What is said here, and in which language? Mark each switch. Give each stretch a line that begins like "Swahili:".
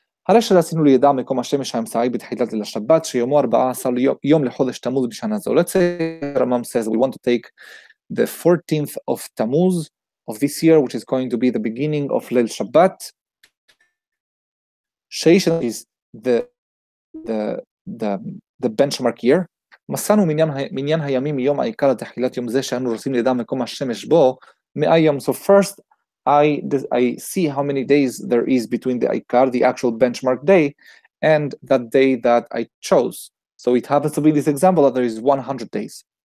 Hebrew: הרי שעשינו לידע מקום השמש האמצעי בתחילת ליל השבת, שיומו 14 יום לחודש תמוז בשנה זו.
English: Let's say, Ramam says, we want to take the 14th of Tammuz of this year, which is going to be the beginning of Lel Shabbat. Sheish is the benchmark year.
Hebrew: מסענו מניין הימים מיום העיקר לתחילת יום זה שאנו רוצים לידע מקום השמש בו,
English: So first, I see how many days there is between the Ikar, the actual benchmark day, and that day that I chose. So it happens to be this example that there is 100 days.